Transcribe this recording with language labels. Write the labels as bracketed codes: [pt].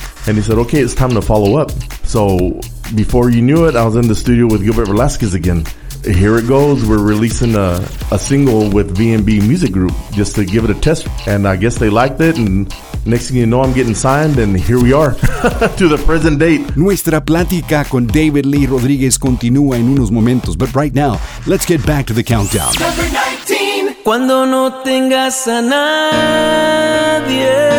[en] And he said, "Okay, it's time to follow up." So before you knew it, I was in the studio with Gilbert Velasquez again. Here it goes. We're releasing a single with VMB Music Group just to give it a test. And I guess they liked it. And next thing you know, I'm getting signed. And here we are to the present date. [es] Nuestra plática con David Lee Rodriguez continúa en unos momentos. [en] But right now, let's get back to the countdown. Number 19. [es] Cuando no tengas a nadie.